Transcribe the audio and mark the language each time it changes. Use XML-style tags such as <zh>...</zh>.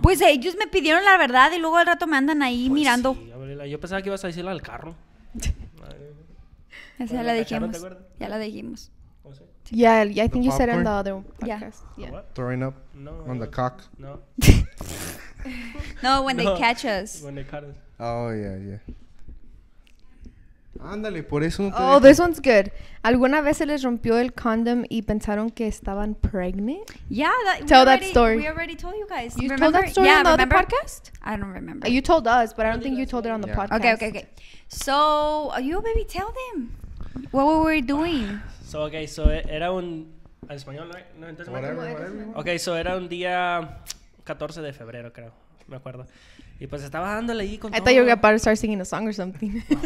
<es>Pues ellos me pidieron la verdad y luego al rato me andan ahí pues mirando. Sí, yo pensaba que ibas a decirla al carro. Bueno, ya la dijimos. Ya la dijimos.</es> <en>Yeah, I think you said it on the other podcast. Yeah. What? Throwing up? No. On the cock? No. No, when they catch us. When they catch us. Oh, yeah, yeah.</en> <es>Ándale, por eso no te dejo.</es> <en>This one's good.</en> <es>¿Alguna vez se les rompió el condom y pensaron que estaban</es> <en>pregnant? Yeah, tell that story. We already told you guys. You remember? Told that story on the other podcast? I don't remember. You told us, but I don't think you told it on the podcast. Okay. So, you maybe tell them. What were we doing?</en> <es>So era un... En español, ¿no? Entonces,</es> <en>whatever.</en> <es>Okay, so era un día 14 de febrero, creo. Me acuerdo. Y pues estaba dándole ahí con</es> <en>I thought you were about to start singing a song or something.</en>